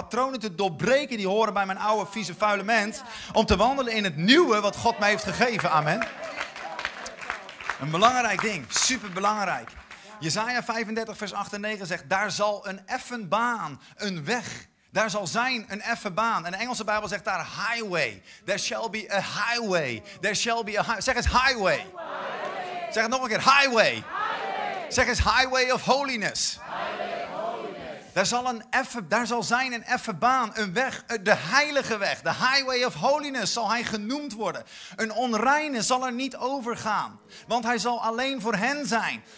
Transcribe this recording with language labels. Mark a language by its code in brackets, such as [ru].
[nl] Patronen te doorbreken die horen bij mijn oude, vieze, vuile mens. Om te wandelen in het nieuwe wat God mij heeft gegeven. Amen. Een belangrijk ding. Super belangrijk. Jesaja 35 vers 8 en 9 zegt, daar zal een effen baan, een weg. Daar zal zijn een effen baan. En de Engelse Bijbel zegt daar highway. [en] There shall be a highway. There shall be a highway. [nl] Zeg eens highway. Zeg het nog een keer. Highway. Zeg eens highway of holiness. Highway of holiness. Daar zal zijn een effe baan, een weg, de heilige weg, de highway of holiness zal hij genoemd worden. Een onreine zal er niet overgaan, want hij zal alleen voor hen zijn.